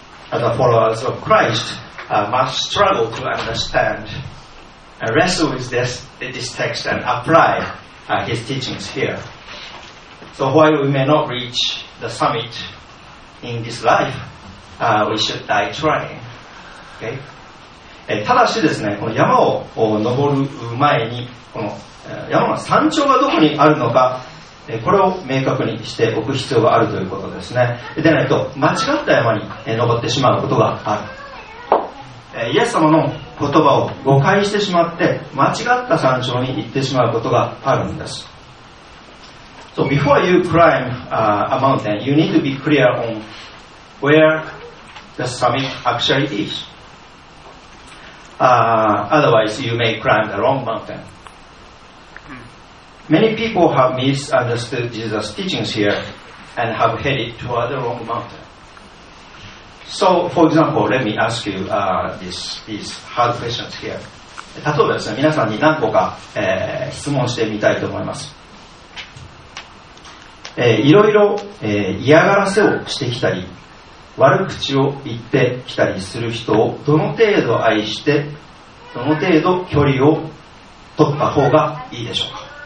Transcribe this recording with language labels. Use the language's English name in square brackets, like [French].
[English] as a follower of Christ, must struggle to understand and wrestle with this text and apply his teachings here. So while we may not reach the summit in this life, we should die trying. Okay? [Japanese] ただしですね、この山を登る前に、この山の山頂がどこにあるのか、これを明確にしておく必要があるということですね。でないと、間違った山に登ってしまうことがある。イエス様の言葉を誤解してしまって、間違った山頂に行ってしまうことがあるんです。 [English] So before you climb a mountain, you need to be clear on where the summit actually is. Otherwise, you may climb the wrong mountain. Many people have misunderstood Jesus' teachings here and have headed toward the wrong mountain. So, for example, let me ask you these hard questions here. [Japanese] 例えばですね、皆さんに何個か、質問してみたいと思います。いろいろ、嫌がらせをしてきたり、悪口を言ってきたりする人をどの程度愛して、どの程度距離を取った方がいいでしょうか。